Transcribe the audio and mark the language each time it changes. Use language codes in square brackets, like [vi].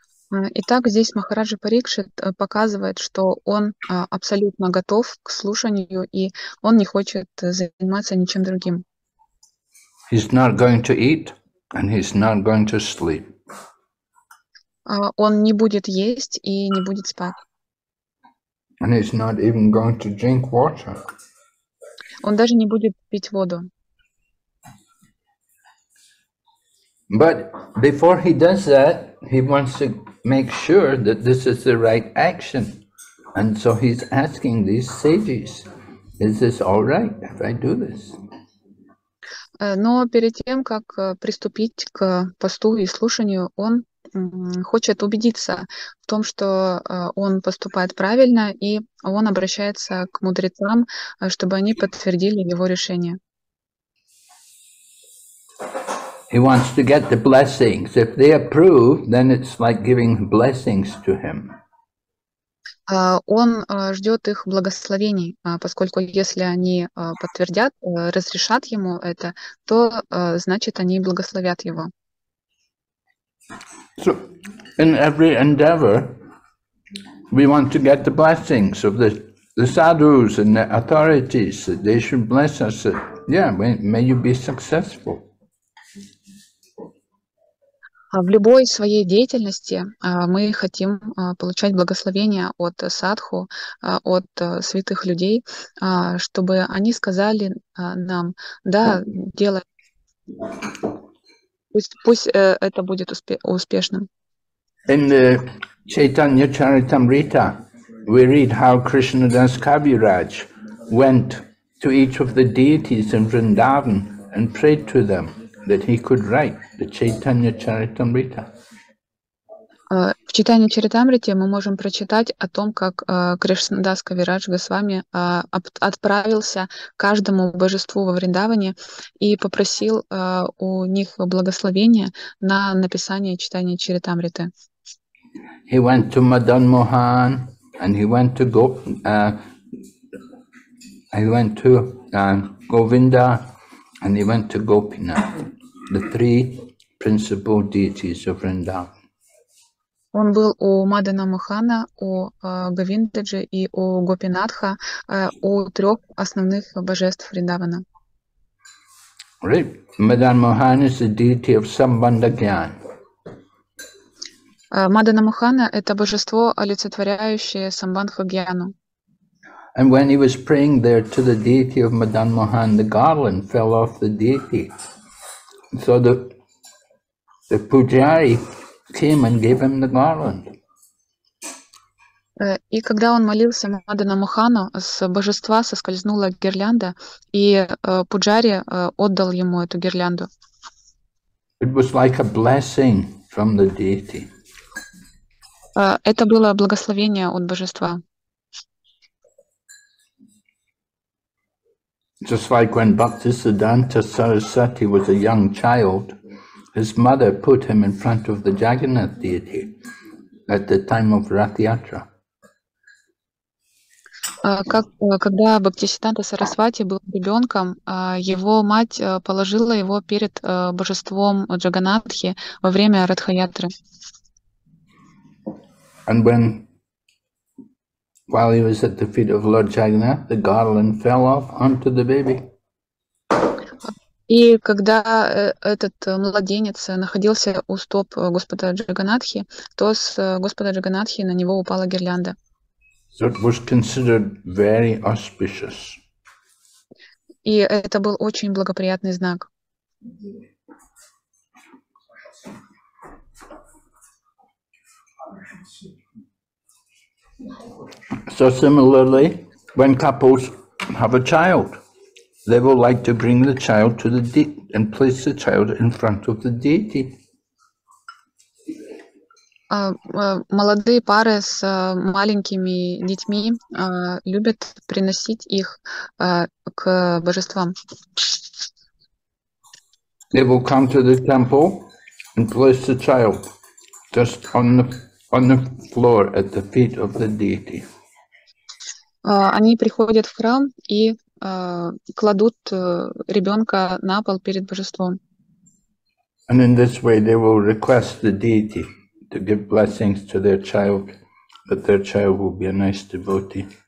[ru] Итак, здесь Махараджа Парикшит показывает, что он абсолютно готов к слушанию, и он не хочет заниматься ничем другим. [en] He's not going to eat, and he's not going to sleep. [ru] Он не будет есть и не будет спать. [en] And he's not even going to drink water. [ru] Он даже не будет пить воду. [en] But before he does that, he wants to make sure that this is the right action. And so he's asking these sages, is this all right if I do this? [ru] Но перед тем, как приступить к посту и слушанию, он хочет убедиться в том, что он поступает правильно, и он обращается к мудрецам, чтобы они подтвердили его решение. [en] He wants to get the blessings. If they approve, then it's like giving blessings to him. [ru] Он ждет их благословений, поскольку если они подтвердят, разрешат ему это, то значит они благословят его. [en] So, in every endeavor, we want to get the blessings of the sadhus and the authorities, that they should bless us, that, may you be successful. [ru] В любой своей деятельности мы хотим получать благословение от садху, от святых людей, чтобы они сказали нам, да, делай, пусть это будет успешным. [en] In the Chaitanya Charitamrita, we read how Krishna Das Kaviraj went to each of the deities in Vrindavan and prayed to them that he could write the Chaitanya Charitamrita. [ru] В читании Чаритамрите мы можем прочитать о том, как Кришнадас Кавирадж Госвами отправился к каждому божеству во Вриндаване и попросил у них благословения на написание читания Чаритамриты. [en] He went to Madan Mohan and he went to Govinda and he went to Gopinath, the three principal deities of Vrindavan. [ru] Он был у Мадана Махана, у Говиндаджи и у Гопинатха, у трех основных божеств Вриндавана. [en] Right. Мадан Махан is the deity of Sambandha Gyan. [ru] Мадана Махана — это божество, олицетворяющее Самбандху Гьяну. [en] And when he was praying there to the deity of Madan Mohan, the garland fell off the deity. So the pujari came and gave him the garland. [ru] И когда он молился Мадана Мухану, с божества соскользнула гирлянда, и пуджари отдал ему эту гирлянду. [en] It was like a blessing from the deity. [ru] Это было благословение от божества. [en] Just like when Bhaktisiddhanta Sarasati was a young child, his mother put him in front of the Jagannath deity at the time of Rath Yatra. [ru] Когда Бхактисиддханта Сарасвати был ребенком, его мать положила его перед божеством Джаганатхи во время Радха-Ятры. [en] And when, while he was at the feet of Lord Jagannath, the garland fell off onto the baby. [ru] И когда этот младенец находился у стоп Господа Джаганатхи, то с Господа Джаганатхи на него упала гирлянда. [en] That was considered very auspicious. [ru] И это был очень благоприятный знак. [en] So similarly, when couples have a child, they will like to bring the child to the deity and place the child in front of the deity. [ru] Молодые пары с маленькими детьми любят приносить их к божествам. [en] They will come to the temple and place the child just on the floor at the feet of the deity. [ru] Они приходят в храм и кладут ребенка на пол перед божеством. [en] And in this way they will request the deity to give blessings to their child, that their child will be a nice devotee.